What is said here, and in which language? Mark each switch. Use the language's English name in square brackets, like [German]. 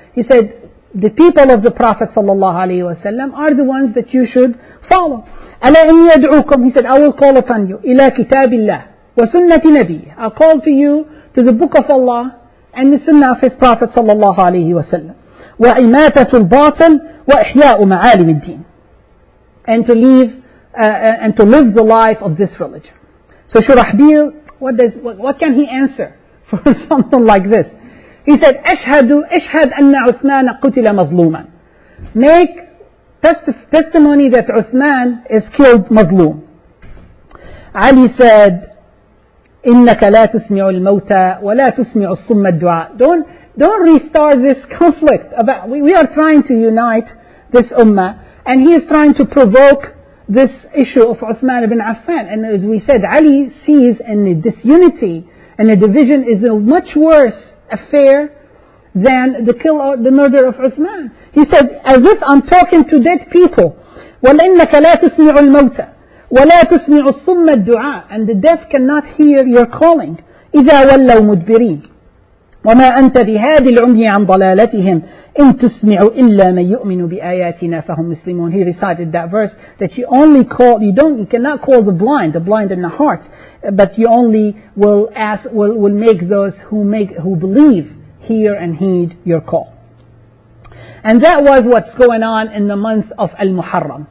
[English] He said, the people of the Prophet sallallahu alayhi wa sallam are the ones that you should follow. [Arabic] أَلَا إِنْ يَدْعُوكُمْ. [English] He said, I will call upon you. [Arabic] إِلَى كِتَابِ اللَّهِ وَسُنَّةِ نَبِيِّهِ. [English] I'll call to you to the book of Allah and the sunnah of his Prophet sallallahu alayhi wa sallam. [Arabic] وإماتة الباطل وإحياء معالم الدين. [English] And to live and to live the life of this religion. So Shurahbil, what can he answer for something like this? He said, [Arabic] أشهد أن عثمان قتل مظلوما. [English] Make testimony that Uthman is killed مظلوم. Ali said, [Arabic] إنك لا تسمع الموتى ولا تسمع الصم الدعاء. [English] Don't restart this conflict about, we are trying to unite this ummah, and he is trying to provoke this issue of Uthman ibn Affan. And as we said, Ali sees in the disunity and the division is a much worse affair than the kill or the murder of Uthman. He said, as if I'm talking to dead people. [Arabic] وَلَإِنَّكَ لَا تُسْمِعُ الْمَوْتَى وَلَا تُسْمِعُ الصُّمَّ الدُّعَاءَ. [English] And the deaf cannot hear your calling. [Arabic] إِذَا وَلَّوْ مُدْبِرِينَ وما أنت بهادي العمي عن ضلالتهم إن تسمع إلا من يؤمن بآياتنا فهم مسلمون. [English] He recited that verse that you cannot call the blind in the heart, but you only will make those who believe hear and heed your call. And that was what's going on in the month of Al-Muharram.